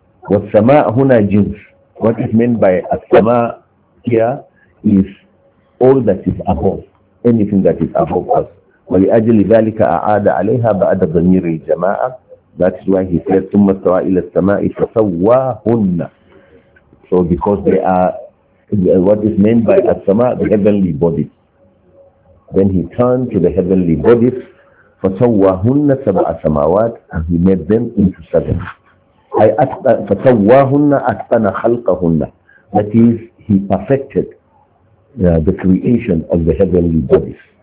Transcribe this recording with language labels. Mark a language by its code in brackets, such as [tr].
[ar] وَالسَّمَاءَ هُنَا جِنْس, [en] what is meant by السَّمَاءَ here is all that is above, anything that is above us. [ar] وَلِأَجْلِ ذَلِكَ أَعَادَ عَلَيْهَا بَعَدَ ضَمِيرِ الْجَمَاءَ, [en] that's why he said, [ar] ثُمَّ اسْتَوَىٰ إِلَى السَّمَاءِ فَسَوَّاهُنَّ. [en] So because they are, what is meant by السَّمَاءَ, the heavenly bodies. Then he turned to the heavenly bodies, [ar] فَسَوَّاهُنَّ سَبْعَ سَمَاوَاتٍ, [en] and he made them into seven. [ar] فَسَوَّاهُنَّ أَحْسَنَ خَلْقَهُنَّ, [en] that is, he perfected the creation of the heavenly bodies.